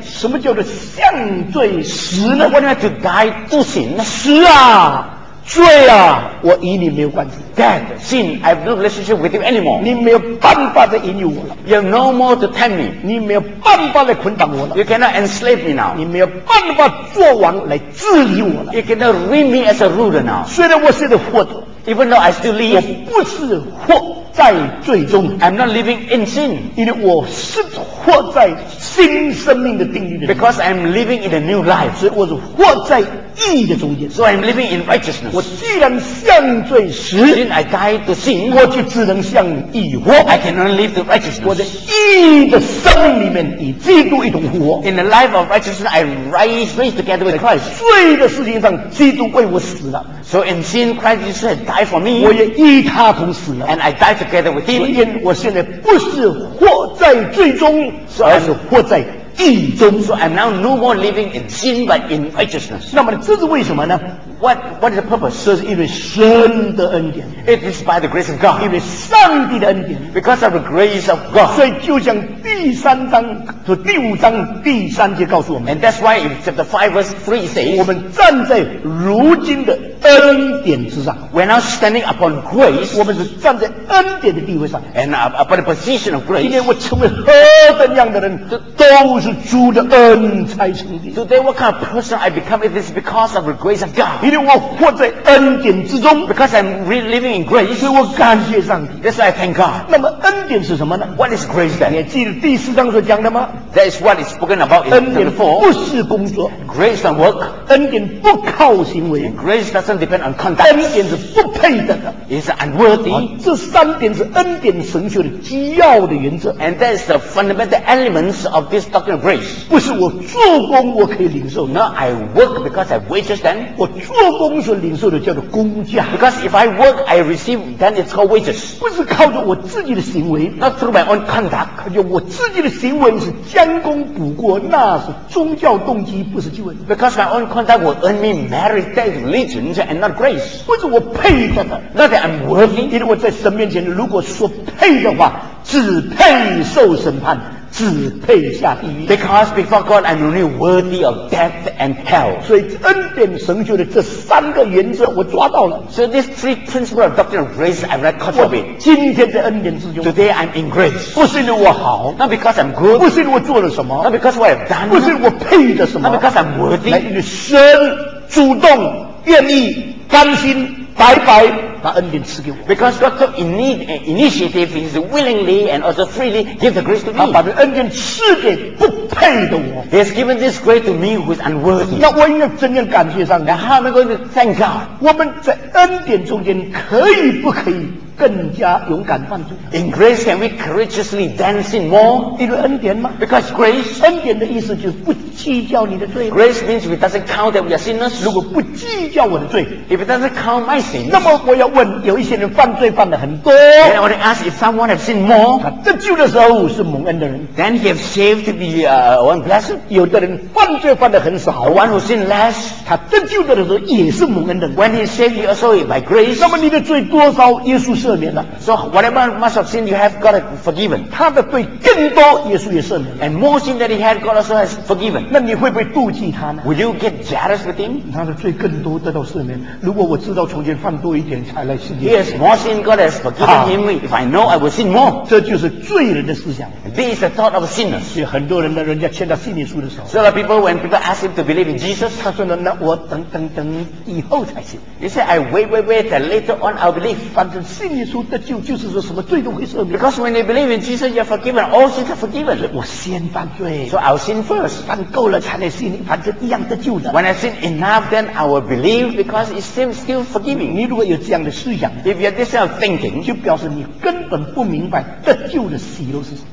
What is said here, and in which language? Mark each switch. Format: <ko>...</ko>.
<zh>什么叫做向罪死呢</zh> <en>？What about to die to sin？</en> <zh>死啊，罪啊，我与你没有关系。</zh> <en>Dead sin， I have no relationship with you anymore。</en> <zh>你没有办法再引诱我了。</zh> <en>You have no more to tempt me。</en> <zh>你没有办法来捆绑我了。</zh> <en>You cannot enslave me now。</en> <zh>你没有办法做王来治理我了。</zh> <en>You cannot rule me as a ruler now。</en> <zh>虽然我是个活的</zh> <en>，Even though I still live，</en> <zh>我不是活在罪中。</zh> <en>I'm not living in sin，</en> <zh>因为我是活在新生命的定义里。</zh> <en>Because I'm living in a new life，</en> <zh>所以我是活在义的中间。</zh> <en>So I'm living in righteousness.</en> <zh>我既然向罪死，</zh> <en>Since I died to sin,</en> <zh>我就只能向义活。</zh> <en>I can only live to righteousness.</en> <zh>我的义的生命里面以基督一同复活。</zh> <en>In the life of righteousness, I rise together with Christ.</en> <zh>罪的事情上，基督为我死了。</zh> <en>So in sin, Christ Jesus had died for me.</en> <zh>我也与他同死了。</zh> <en>And I died together with him.</en> <zh>所以我现在不是活在罪中，</zh> <en>so、</en> <zh>而是活在。</zh> <en>So I'm now no more living in sin but in righteousness.</en> <zh>那么这是为什么呢？</zh> <en>What is the purpose?</en> <zh>是因为神的恩典。</zh> <en>It is by the grace of God.</en> <zh>因为上帝的恩典。</zh> <en>Because of the grace of God.</en> <zh>所以就像第三章和第五章第三节告诉我们。</zh> <en>And that's why in chapter 5 verse 3 says,</en> <zh>我们站在如今的恩典之上。</zh> <en>We're now standing upon grace.</en> <zh>我们是站在恩典的地位上。</zh> <en>And upon the position of grace.</en> <zh>今天我成为何等样的人都是主的恩才成的。</zh> <en>Today what kind of person I become is because of the grace of God.</en> <zh>因为我活在恩典之中。</zh> <en>Because I'm living in grace.</en> <zh>所以我感谢上帝。</zh> <en>That's why I thank God.</en> <zh>那么恩典是什么呢？</zh> <en>What is grace then?</en> <zh>你还记得第四章所讲的吗？</zh> <en>That is what is spoken about in chapter 4.</en> <zh>恩典不是工作。</zh> <en>Grace and work.</en> <zh>恩典不靠行为。</zh> <en>Grace doesn't depend on conduct.</en> <zh>恩典是不配得的。</zh> <en>It's unworthy.</en> <zh>这三点是恩典神学的基要的原则。</zh> <en>And that is the fundamental elements of this doctrine. Grace.</en> <zh>不是我做工我可以领受。</zh> <en>No, I work because I wages then.</en> <zh>我做工所领受的叫做工价。</zh> <en>Because if I work, I receive, then it's called wages.</en> <zh>不是靠着我自己的行为。</zh> <en>Not through my own conduct.</en> <zh>而且我自己的行为是将功补过，那是宗教动机，不是救恩。</zh> <en>Because my own conduct will earn me merit, that is religion, and not grace.</en> <zh>不是我配得的。</zh> <en>Not that I'm worthy.</en> <zh>因为我在神面前，如果说配的话，只配受审判。只配下地狱。</zh> <en>Because before God, I'm only worthy of death and hell.</en> <zh>所以恩典神学的这三个原则我抓到了。</zh> <en>So these three principles of doctrine of grace, I'm not caught up in.</en> <zh>今天在恩典之中。</zh> <en>Today I'm in grace.</en> <zh>不是因为我好。</zh> <en>Not because I'm good.</en> <zh>不是因为我做了什么。</zh> <en>Not because what I've done.</en> <zh>不是因为我配的什么。</zh> <en>Not because I'm worthy.</en> <zh>乃因为神主动愿意甘心白白。把恩典赐给我</zh> <en>，because God took initiative, He's willingly and also freely give the grace to me.</en> <zh>他把这恩典赐给不配的我</zh> <en>，He has given this grace to me who is unworthy.</en> <zh>那我应该怎样感谢上帝</zh> <en>？How am I going to thank God?</en> <zh>我们在恩典中间可以不可以更加勇敢犯罪</zh> <en>？In grace, can we courageously dance in more?</en> <zh>因为恩典吗</zh> <en>？Because grace.</en> <zh>恩典的意思就是不计较你的罪。</zh> <en>Grace means we doesn't count that we are sinners.</en> <zh>如果不计较我的罪</zh> <en>，if it doesn't count my sins,</en> <zh>那么我要问有一些人犯罪犯的很多</zh> <en>，and I want to ask if someone has sinned more.</en> <zh>他得救的时候是蒙恩的人</zh> <en>，then he have saved the one blessed.</en> <zh>有的人犯罪犯的很少</zh> <en>，the one who sin less.</en> <zh>他得救的时候也是蒙恩的人</zh> <en>，when he saved you also by grace.</en> <zh>那么你的罪多少，耶稣赦免了</zh> <en>，so whatever much of sin you have, God has forgiven.</en> <zh>他的罪更多，耶稣也赦免了</zh> <en>，and more sin that he had, God also has forgiven.</en> <zh>那你会不会妒忌他呢</zh> <en>？Will you get jealous with him?</en> <zh>他的罪更多得到赦免，如果我知道从前犯多一点。</zh> <en>Yes, more sin God has forgiven him. If I know, I will sin more.</en> <zh>这就是罪人的思想。</zh> <en>This is the thought of sinners.</en> <zh>所以很多人呢，人家签到信耶稣的时候。</zh> <en>So the people, when people ask him to believe in Jesus,</en> <zh>他说呢，那我等以后才信。</zh> <en>He said, I wait, and later on I'll believe.</en> <zh>反正信耶稣得救就是说什么罪都会赦免。</zh> <en>Because when you believe in Jesus, you're forgiven. All sins are forgiven.</en> <zh>我先犯罪。</zh> <en>So I'll sin first.</en> <zh>犯够了才能信，反正一样得救的。</zh> <en>When I sin enough, then I will believe because it seems still forgiving.</en> <zh>你如果有这样的。</zh> <en>If you have this kind of thinking,</en> <zh>就表示你根本不明白得救的喜乐是什么。</zh>